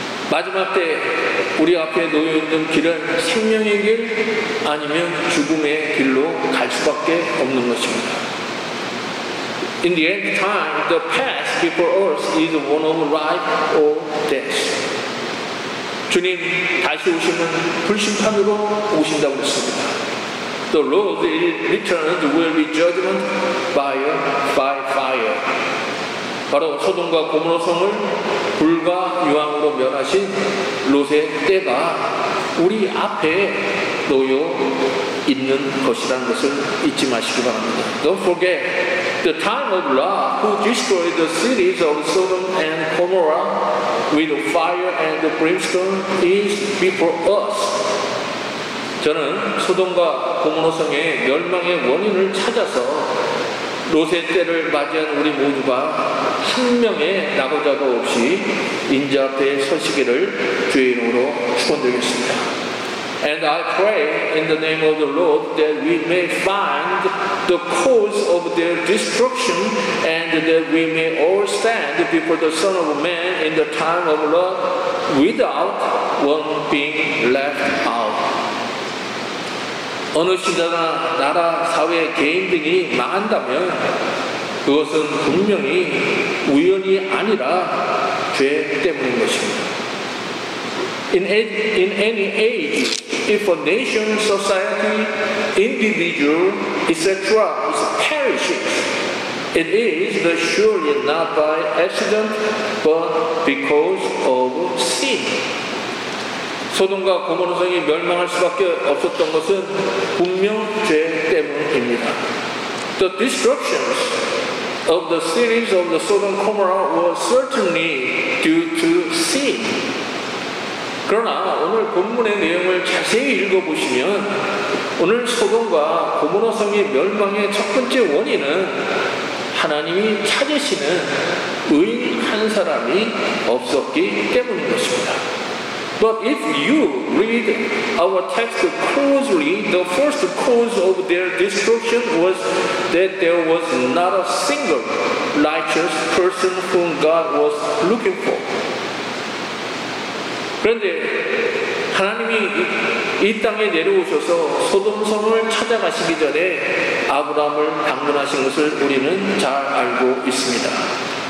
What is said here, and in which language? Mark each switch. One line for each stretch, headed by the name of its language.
Korean: 마지막 때 우리 앞에 놓여있는 길은 생명의 길 아니면 죽음의 길로 갈 수밖에 없는 것입니다.
English: In the end time, the path before us is one of life or death.
Korean: 주님 다시 오시면 불심판으로 오신다고 했습니다.
English: The Lord returns will be judgment by fire.
Korean: 바로 소돔과 고모라 성을 불과 유황으로 멸하신 롯의 때가 우리 앞에 놓여 있는 것이라는 것을 잊지 마시기 바랍니다.
English: Don't forget the time of Lot who destroyed the cities of Sodom and Gomorrah with fire and brimstone is before us.
Korean: 저는 소돔과 고모라 성의 멸망의 원인을 찾아서 롯의 때를 맞이한 우리 모두가 한 명의 나고자도 없이 인자 앞에 서시기를 주의 이름으로 축원드리겠습니다.
English: And I pray in the name of the Lord that we may find the cause of their destruction and that we may all stand before the Son of Man in the time of Lot without one being left out.
Korean: 어느 시대나 나라, 사회, 개인 등이 망한다면 그것은 분명히 우연이 아니라 죄 때문인 것입니다.
English: In any age, if a nation, society, individual, etc. is perishing, it is surely not by accident, but because of sin.
Korean: 소돔과 고모라 성이 멸망할 수밖에 없었던 것은 분명 죄 때문입니다.
English: The destructions of the cities of the Sodom Gomorrah were certainly due to sin.
Korean: 그러나 오늘 본문의 내용을 자세히 읽어보시면 오늘 소돔과 고모라 성이 멸망의 첫 번째 원인은 하나님이 찾으시는 의인 한 사람이 없었기 때문인 것입니다.
English: But if you read our text closely, the first cause of their destruction was that there was not a single righteous person whom God was looking for.
Korean: 그런데 하나님이 이 땅에 내려오셔서 소돔 성을 찾아가시기 전에 아브라함을 방문하신 것을 우리는 잘 알고 있습니다.